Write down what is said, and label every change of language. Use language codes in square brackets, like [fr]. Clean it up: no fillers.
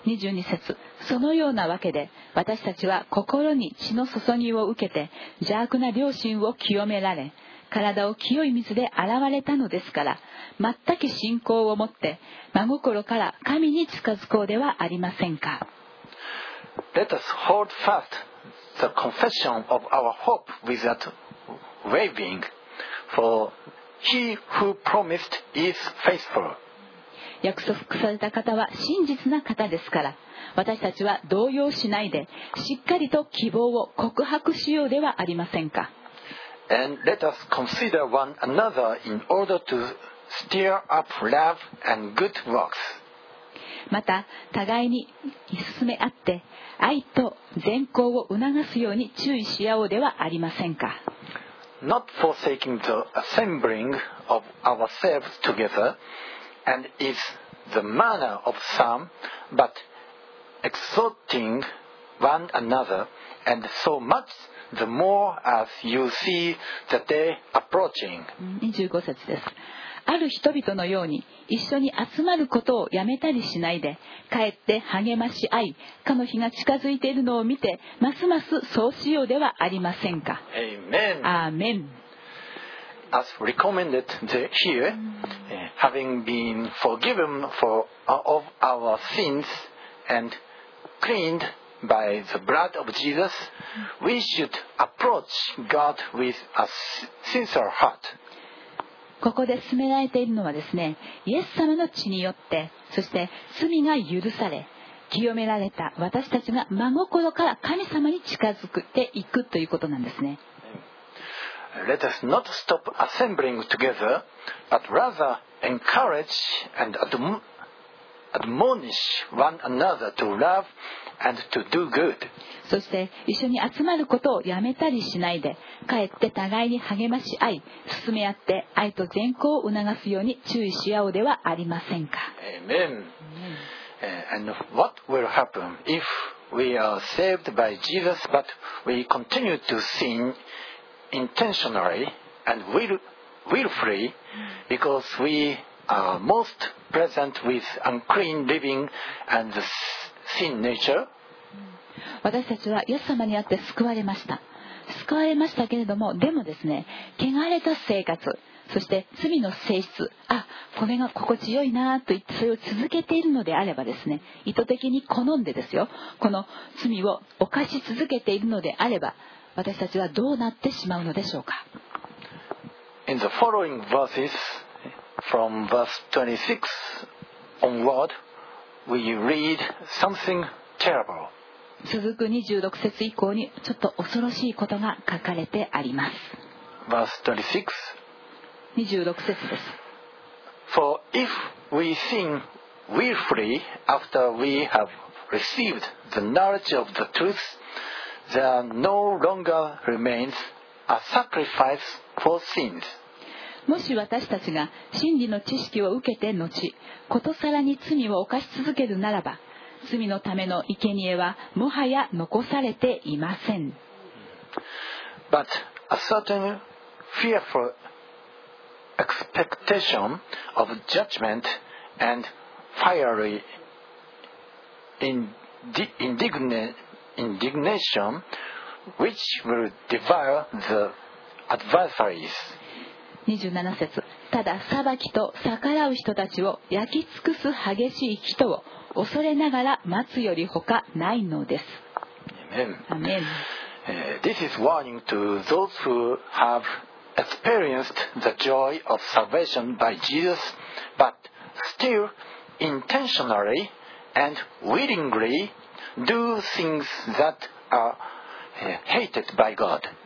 [ja] 22節、そのようなわけで、私たちは心に血の注ぎを受けて、邪悪な良心を清められ、体を清い水で洗われたのですから、全く信仰を持って、真心から神に近づこうではありませんか。 [en] Let us hold fast the confession of our hope without wavering, for He who promised is faithful. [ja] 約束された方は真実な方ですから、私たちは動揺しないで、しっかりと希望を告白しようではありませんか。 [en] And let us consider one another in order to stir up love and good works. [ja] また、互いに進め合って、愛と善行を促すように注意し合おうではありませんか。 [en] Not forsaking the assembling of ourselves together, and is the manner of some, but exhorting one another, and so much the more as you see the day approaching. [ja] 25節です。ある人々のように一緒に集まることをやめたりしないで、かえって励まし合い、かの日が近づいているのを見て、ますますそうしようではありませんか。 [en] Amen. Amen. As recommended here, having been forgiven of our sins and cleaned by the blood of Jesus, we should approach God with a sincere heart. [ja] ここで進められているのはですね、イエス様の血によって、そして罪が許され、清められた私たちが真心から神様に近づくっていくということなんですね。 [en] Let us not stop assembling together, but rather encourage and admonish one another to love and to do good. [ja] そして一緒に集まることをやめたりしないで、かえって互いに励まし合い、進め合って愛と善行を促すように注意し合おうではありませんか。 [en] Amen. And what will happen if we are saved by Jesus but we continue to sin intentionally and willfully because we are most present with unclean living and the sin nature? [ja] 私たちはイエス様にあって救われました、救われましたけれども、でもですね、汚れた生活、そして罪の性質、あ、これが心地よいなと言ってそれを続けているのであればですね、意図的に好んでですよ、この罪を犯し続けているのであれば、私たちはどうなってしまうのでしょうか。 [en] In the following verses from verse 26 onward we read something terrible. [ja] 続く26節以降にちょっと恐ろしいことが書かれてあります。 [en] Verse 26 [ja] 節です。 [en] For if we sin willfully after we have received the knowledge of the truth, there no longer remains a sacrifice for sins. [ja] もし私たちが真理の知識を受けて後、ことさらに罪を犯し続けるならば、罪のための生贄はもはや残されていません。 [en] But a certain fearful expectation of judgment and fiery indignation which will devour the adversaries. [ja] 27節、ただ裁きと逆らう人たちを焼き尽くす激しい人を恐れながら待つよりほかないのです。アメン。 [en] This is warning to those who have experienced the joy of salvation by Jesus, but still intentionally and willingly do things that are hated by God.